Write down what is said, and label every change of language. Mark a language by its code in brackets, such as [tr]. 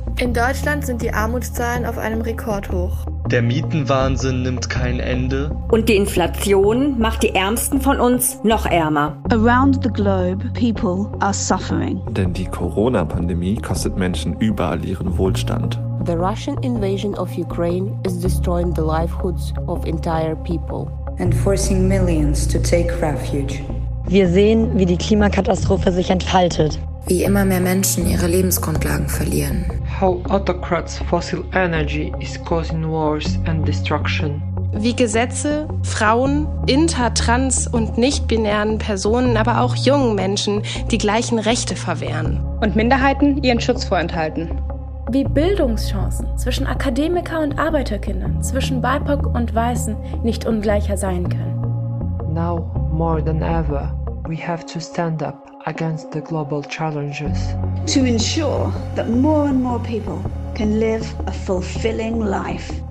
[de] In Deutschland sind die Armutszahlen auf einem Rekordhoch. Der Mietenwahnsinn nimmt kein Ende. Und die Inflation macht die Ärmsten von uns noch ärmer. [en] Around the globe, people are suffering. [de] Denn die Corona-Pandemie kostet Menschen überall ihren Wohlstand. [en] The Russian invasion of Ukraine is destroying the livelihoods of entire people. And forcing millions to take refuge. [de] Wir sehen, wie die Klimakatastrophe sich entfaltet. Wie immer mehr Menschen ihre Lebensgrundlagen verlieren. [en] How autocrats' fossil energy is causing wars and destruction. [de] Wie Gesetze Frauen, inter-, trans- und nicht-binären Personen, aber auch jungen Menschen die gleichen Rechte verwehren. Und Minderheiten ihren Schutz vorenthalten. Wie Bildungschancen zwischen Akademiker- und Arbeiterkindern, zwischen BIPOC und Weißen nicht ungleicher sein können. [en] Now more than ever, we have to stand up against the global challenges. To ensure that more and more people can live a fulfilling life.